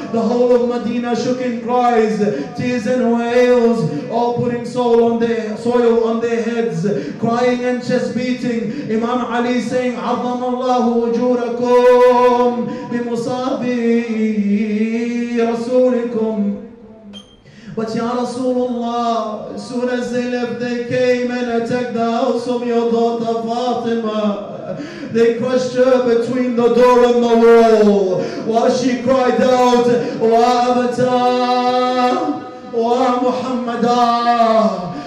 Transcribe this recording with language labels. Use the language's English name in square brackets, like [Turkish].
[English] The whole of Medina shook in cries, tears and wails, all putting soil on their heads, crying and chest beating. Imam Ali saying, [Arabic] عظم الله وجوركم بمصابي رسولكم. [English] But Ya Rasulullah, as soon as they left, they came and attacked the house of your daughter Fatima. They crushed her between the door and the wall. While she cried out, [Arabic] Wa Abata Wa Muhammada.